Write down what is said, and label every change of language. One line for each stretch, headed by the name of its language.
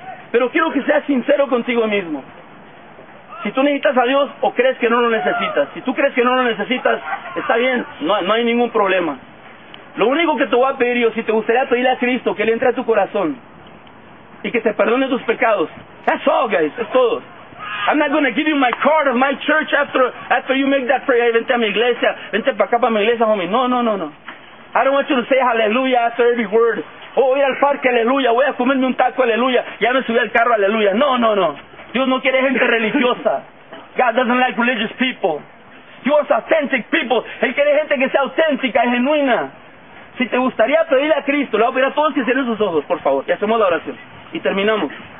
Spanish: Pero quiero que seas sincero contigo mismo. Si tú necesitas a Dios o crees que no lo necesitas. Si tú crees que no lo necesitas, está bien, no hay ningún problema. Lo único que te voy a pedir yo, si te gustaría pedirle a Cristo que Él entre a tu corazón y que te perdone tus pecados.
English: That's all, guys,
Spanish: es todo.
English: I'm not going to give you my card of my church after you make that prayer.
Spanish: Vente a mi iglesia, vente para acá, para mi iglesia, homie. No.
English: I don't want you to say hallelujah after every word.
Spanish: Oh, voy al parque, aleluya, voy a comerme un taco, aleluya, ya me subí al carro, aleluya. No. Dios no quiere gente religiosa.
English: God doesn't like religious people. He wants authentic people.
Spanish: Él quiere gente que sea auténtica, genuina. Si te gustaría pedirle a Cristo, le voy a pedir a todos que cierren sus ojos, por favor, y hacemos la oración. Y terminamos.